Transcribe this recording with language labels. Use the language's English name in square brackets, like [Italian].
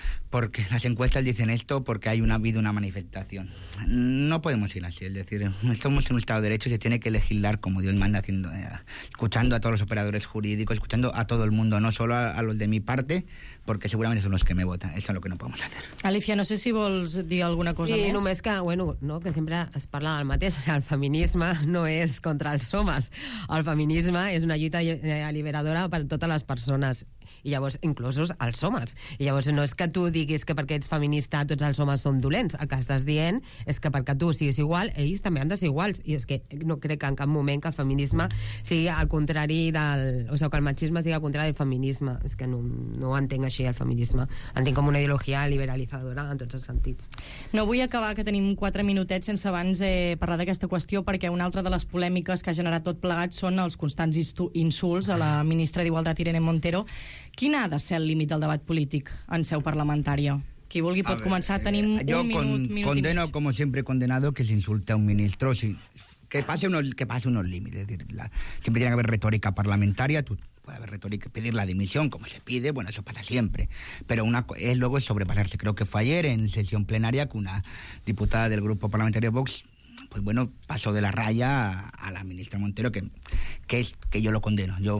[Spanish] Porque las encuestas dicen esto porque ha habido una manifestación. No podemos ir así, es decir, estamos en un Estado de Derecho y se tiene que legislar como Dios manda, escuchando a todos los operadores jurídicos, escuchando a todo el mundo, no solo a los de mi parte, porque seguramente son los que me votan. Eso es lo que no podemos hacer. [Catalan] Alicia, no sé si vols dir alguna cosa més. Sí, només que, bueno, no, que sempre es parla del mateix, o sigui, el feminisme no és contra els homes. El feminisme és una lluita alliberadora per a totes les persones. I llavors, inclosos els homes. I llavors, no és que tu diguis que perquè ets feminista tots els homes són dolents. El que estàs dient és que perquè tu siguis igual, ells també han de ser iguals. I és que no crec que en cap moment que el feminisme sigui al contrari del... O sigui, que el machisme sigui al contrari del feminisme. És que no ho entenc així, el feminisme. Entenc com una ideologia liberalitzadora en tots els sentits. No vull acabar, que tenim 4 minutets, sense abans parlar d'aquesta qüestió, perquè una altra de les polèmiques que ha generat tot plegat són els constants insults a la ministra d'Igualtat, Irene Montero, Quin ha de ser el límit del debat polític en seu parlamentària? Qui vulgui pot començar, tenim un minut, [Spanish] condeno, como siempre condenado, que se insulte a un ministro. Si, que pase unos límites. Siempre tiene que haber retórica parlamentaria. Tú puedes haber retórica, pedir la dimisión, como se pide. Bueno, eso pasa siempre. Pero una es luego sobrepasarse. Creo que fue ayer en sesión plenaria que una diputada del grupo parlamentario Vox, pues bueno, pasó de la raya a la ministra Montero, que yo lo condeno.